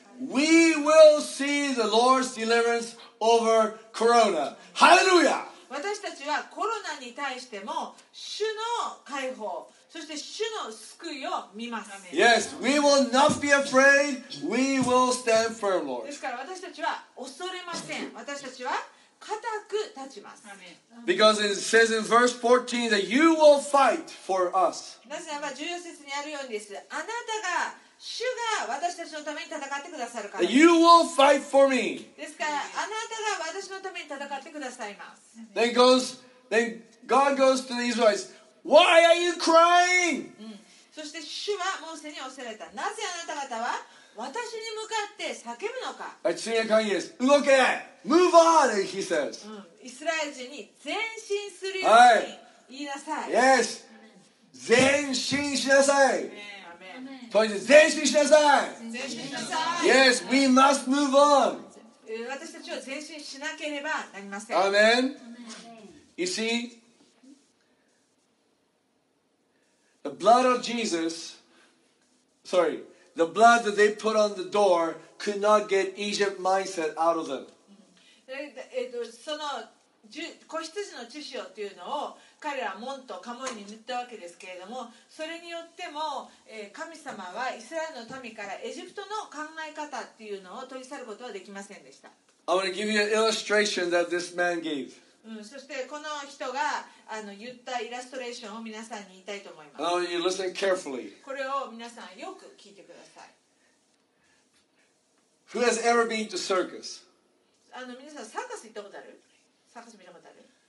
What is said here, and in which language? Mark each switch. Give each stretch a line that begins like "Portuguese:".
English: We will see the Lord's deliverance over Corona. Hallelujah!
Japanese: 私たちはコロナに対しても主の解放、そして主の救いを見ます。
English: Yes, we will not be afraid. We will stand firm, Lord.
Japanese: ですから私たちは恐れません。私たちは固く立ちます。
English: Because it says in verse 14 that you will fight for us.
Japanese: なぜならば14節にあるようにです。あなたが主が私たちのために戦ってくださるからです。
English: You will fight for me.
Japanese: ですから、あなたが私のために戦ってくださいます。
English: Then goes, then God goes to the Israelites. Why are you crying?、
Japanese: うん、そして主はモーセに仰せられた。なぜあなた方は私に向かって叫ぶのか。
English: I see a kind yes.
Japanese: 動け
English: Move on, he says.、
Japanese: うん、イスラエル人に前進するように言いなさい。はい、yes. 前進しなさい。
English: So he says,
Japanese: 前進しなさい。
English: Yes, we must move on.
Japanese: 私たちは前進しなければなりません。
English: Amen. You see, the blood of Jesus, sorry, the blood that they put on the door could not get Egypt mindset out of them.
Japanese: その子羊の血潮というのを彼ら門と家門に塗ったわけですけれども、それによっても神様はイスラエルの民からエジプトの考え方っていうのを取り去ることはできませんでした。
English: I want to give you an illustration that this man gave.
Japanese: うん、そしてこの人が言ったイラストレーションを皆さんに言いたいと思います。
English: And I want you to listen carefully.
Japanese: これを皆さんよく聞いてください。
English: Who has ever been to circus?
Japanese: 皆さんサーカス行ったことある？サーカス見たことある？